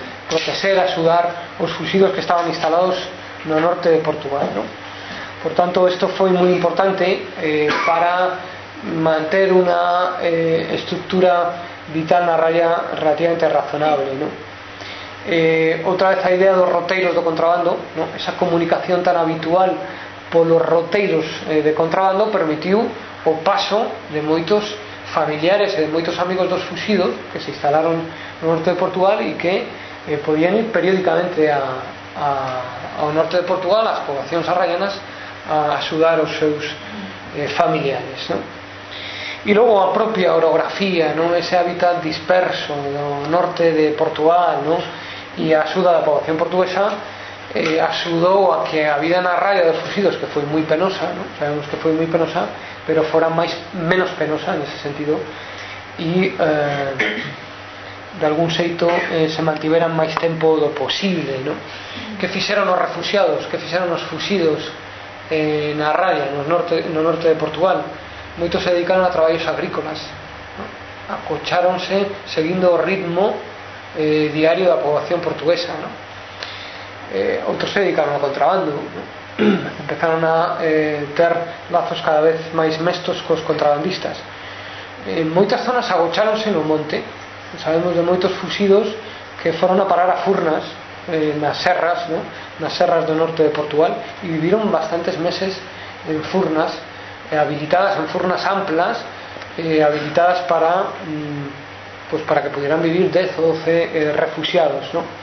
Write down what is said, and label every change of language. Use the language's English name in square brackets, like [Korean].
[Spanish] proteger, ayudar los fusilos que estaban instalados en el norte de Portugal, ¿no? Por tanto, esto fue muy importante para mantener una estructura vital [Galician] na raya [Spanish] relativamente razonable, ¿no? [Galician] Otra vez a idea dos roteiros do contrabando, ¿no? Esa comunicación tan habitual polos roteiros de contrabando permitiu o paso de moitos familiares e de moitos amigos dos fuxidos que se instalaron no norte de Portugal e que podían ir periódicamente ao norte de Portugal, ás poboacións arraianas, a axudar os seus familiares, ¿no? E logo a propia orografía, ¿no? Ese hábitat disperso no norte de Portugal, ¿no? E a axuda da poboación portuguesa axudou a que a vida na raya dos fuxidos, que foi moi penosa, ¿no? Sabemos que foi moi penosa, pero fora máis menos penosa en ese sentido, e de algún xeito se mantiveran máis tempo do posible, ¿no? Que fixeron os refuxiados, que fixeron os fuxidos na raya, no norte de Portugal. Moitos se dedicaron a traballos agrícolas, ¿no? Acocháronse seguindo o ritmo diario da poboación portuguesa, ¿no? Outros se dedicaron ao contrabando, ¿no? Empezaron a ter lazos cada vez máis mestos cos contrabandistas. En moitas zonas agocháronse no monte. Sabemos de moitos fuxidos que foron a parar a Furnas, nas serras, ¿no? Nas serras do norte de Portugal, e viviron bastantes meses en Furnas, habilitadas en furnas amplas, habilitadas para [Spanish] pues para que pudieran vivir 10 o 12 refugiados, [Galician] ¿no?